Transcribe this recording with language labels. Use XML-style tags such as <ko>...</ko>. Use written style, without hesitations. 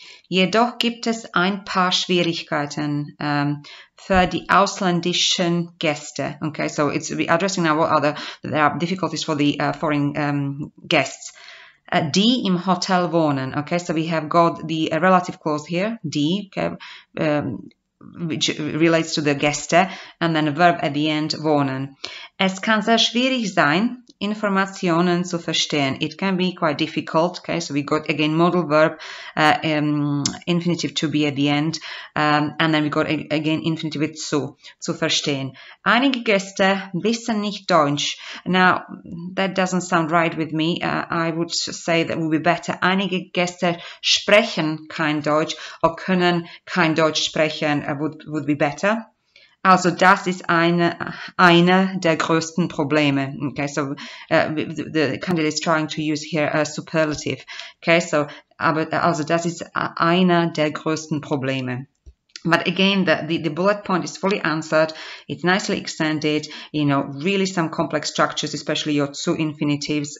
<de>Jedoch gibt es ein paar Schwierigkeiten für die ausländischen Gäste.</de> <en>Okay, so it's we're addressing now what are the there are difficulties for the foreign guests.</en> <de>Die im Hotel wohnen.</de> <en>Okay, so we have got the relative clause here, die, okay, which relates to the Gäste, and then a verb at the end, wohnen.</en> <de>Es kann sehr schwierig sein, Informationen zu verstehen.</de> <en>It can be quite difficult. Okay, so we got again modal verb, infinitive to be at the end, and then we got again infinitive with zu verstehen.</en> <de>Einige Gäste wissen nicht Deutsch.</de> <en>Now that doesn't sound right with me. I would say that would be better.</en> <de>Einige Gäste sprechen kein Deutsch</de> <en>or</en> <de>können kein Deutsch sprechen</de> <en>would be better.</en> <de>Also das ist eine der größten Probleme.</de> <en>Okay, so the candidate is trying to use here a superlative.</en> <de>Okay, so aber also das ist einer der größten Probleme.</de> <en>But again, the bullet point is fully answered. It's nicely extended. You know, really some complex structures, especially your two infinitives.</en>